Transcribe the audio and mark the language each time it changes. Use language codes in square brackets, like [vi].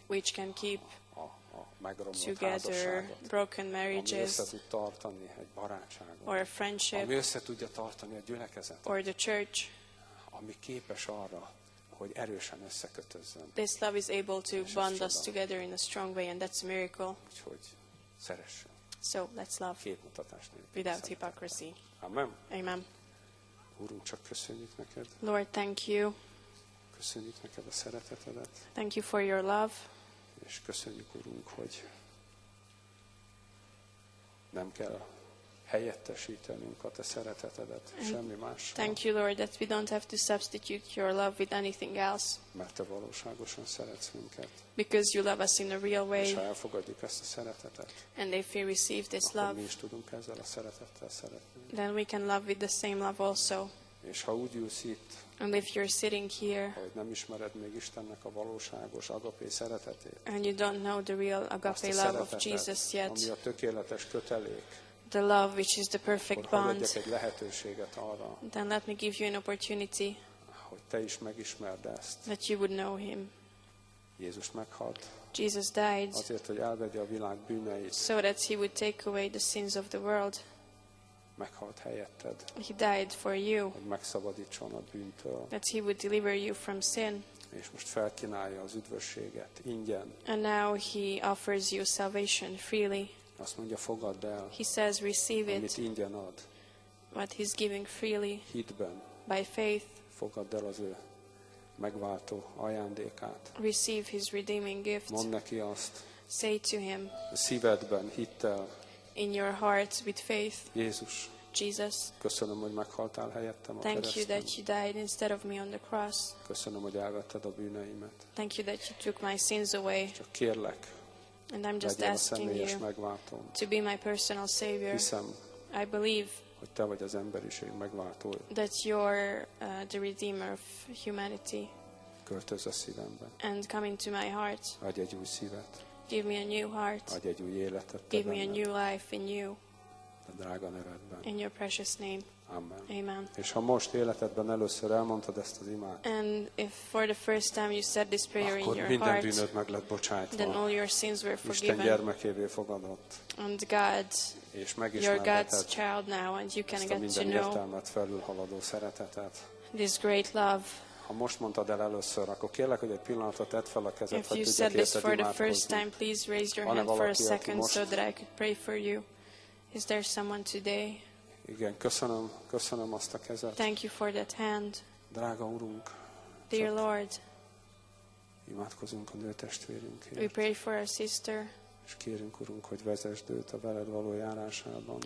[en] Which can keep together broken marriages, [hu] ami össze tud tartani egy barátságot, [en] or a friendship, [hu] ami össze tudja tartani a gyülekezetet, [en] or the church, [hu] ami képes arra, hogy erősen összekötözzön. [en] This love is able to bond us together in a strong way, and that's a miracle. [hu] Úgyhogy szeressen. [en] So, let's love. [hu] Képmutatás nélkül. [en] Without hypocrisy. [hu] Amen. [en] Amen. [hu] Úrunk, csak köszönjük neked. [en] Lord, thank you. [hu] Köszönjük neked a szeretetedet. [en] Thank you for your love. [hu] És köszönjük, Úrunk, hogy nem kell helyettesítenünk a te szeretetedet semmi mással. [en] Thank you, Lord, that we don't have to substitute your love with anything else. [hu] Mert te valóságosan szeretsz minket. [en] Because you love us in a real way. [hu] És ha elfogadjuk ezt a szeretetet, [en] and if we receive this love, [hu] mi is tudunk ezzel a szeretettel szeretni. [en] Then we can love with the same love also. [hu] És ha úgy ülsz itt, [en] and if you're sitting here, [hu] hogy nem ismered még Istennek a valóságos agapé szeretetét, [en] and you don't know the real agape love of Jesus yet, [hu] ami a tökéletes kötelék, [en] the love which is the perfect bond. [hu] Hagyjak egy lehetőséget arra. [en] Then let me give you an opportunity. [hu] Hogy te is megismerd ezt. [en] That you would know him. [hu] Jézus meghalt. [en] Jesus died. [hu] Azért, hogy elvegye a világ bűneit. [en] So that he would take away the sins of the world. [hu] Meghalt helyetted. [en] He died for you. [hu] Hogy megszabadítson a bűntől. [en] That he would deliver you from sin. [hu] És most felkínálja az üdvösséget ingyen. [en] And now he offers you salvation freely. [hu] Azt mondja, fogadd el. [en] He says, receive it. [hu] Amit ingyen ad. [en] What he's giving freely. [hu] Hitben. [en] By faith. [hu] Fogadd el az ő megváltó ajándékát. [en] Receive his redeeming gift. [hu] Mondd neki azt. [en] Say to him. [hu] Szívedben, hittel. [en] In your heart with faith. [hu] Jézus. [en] Jesus. [hu] Köszönöm, hogy meghaltál helyettem a kereszten. [en] Thank you that you died instead of me on the cross. [hu] Köszönöm, hogy elvetted a bűneimet. [en] Thank you that you took my sins away. [hu] Csak kérlek. [en] And I'm just asking you [hu] megváltónk. [en] To be my personal savior. [hu] Hiszem, [en] I believe [hu] hogy te vagy az emberiség megváltója. [en] That you're the redeemer of humanity. [hu] Költöz a szívembe. [en] And come into my heart. [hu] Adj egy új szívet. [en] Give me a new heart. [hu] Adj egy új életet. [en] Give me a new life in you. [hu] A drága nevedben. [en] In your precious name. [hu] Amen. [en] Amen. [hu] És ha most életedben először elmondtad ezt az imát, [en] and if for the first time you said this prayer in your heart, [hu] minden bűnöd meg lett bocsájtva, [en] then all your sins were forgiven. [hu] Isten gyermekévé fogadott. [en] And God, [hu] és [en] you're God's child now, and you can get to know [hu] értelmet felülhaladó szeretetet. [en] This great love. [hu] Ha most mondtad el először, akkor kérlek, hogy egy pillanatot tedd fel a kezed, [en] if you said this for the first time, please raise your hand for a second [hu] most, [en] so that I could pray for you. Is there someone today? [hu] Igen, köszönöm azt a kezet. [en] Thank you for that hand. [hu] Drága Urunk. [en] Dear Lord. [hu] Imádkozunk a nőtestvérünkért. [en] We pray for our sister. [hu] És kérünk, Urunk, hogy vezesd őt a veled való járásában.